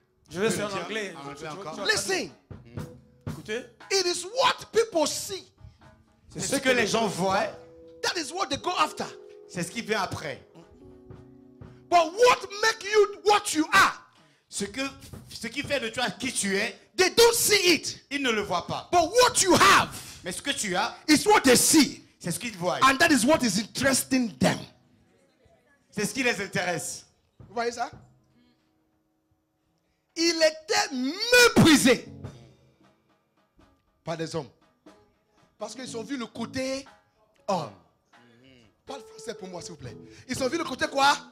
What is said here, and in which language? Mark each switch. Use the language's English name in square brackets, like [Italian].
[French] Je vais faire en anglais. [English] Listen. [French] Écoutez. [English] It is what people see. [French] C'est ce que les gens voient. [English] That is what they go after. [French] C'est ce qui vient après. [English] But what make you what you are? [French] Ce qui fait de toi qui tu es. [English] They don't see it. [French] Ils ne le voient pas. [English] But what you have. [French] Mais ce que tu as. [English] Is what they see. [French] C'est ce qu'ils voient. [English] And that is what is interesting them. [French] C'est ce qui les intéresse. Vous voyez ça? Il était méprisé par des hommes. Parce qu'ils ont vu le côté homme. Parle français pour moi, s'il vous plaît. Ils ont vu le côté quoi?